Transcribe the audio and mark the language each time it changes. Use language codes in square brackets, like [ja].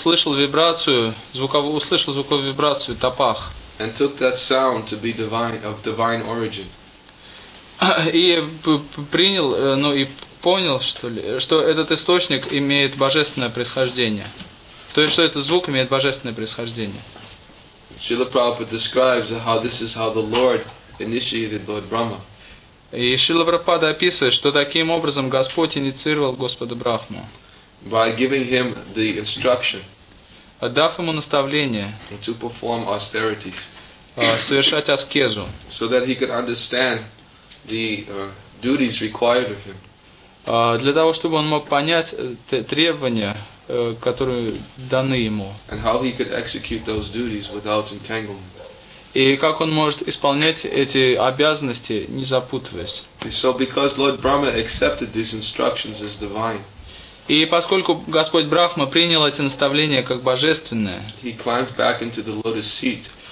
[ru] Он услышал звуковую вибрацию тапах. [en] And took that sound to be divine, of divine origin. [ru] И принял, ну и понял, что ли, что этот источник имеет божественное происхождение. То есть, что этот звук имеет божественное происхождение. [en] Шрила Прабхупада describes how this is how the Lord initiated Lord Brahma. [ru] И Шрила Прабхупада описывает, что таким образом Господь инициировал Господа Брахму. [en] By giving him the instruction. [ru] Отдав ему наставление. [en] To perform austerities. [ru] Совершать аскезу. [en] So that he could understand the duties required of him. [ru] Для того, чтобы он мог понять требования, которые даны ему. [en] And how he could execute those duties without entanglement. [ru] И как он может исполнять эти обязанности, не запутываясь. [en] So because Lord Brahma accepted these instructions as divine. [ru] И поскольку Господь Брахма принял эти наставления как божественное, [en] he climbed back into the lotus seat.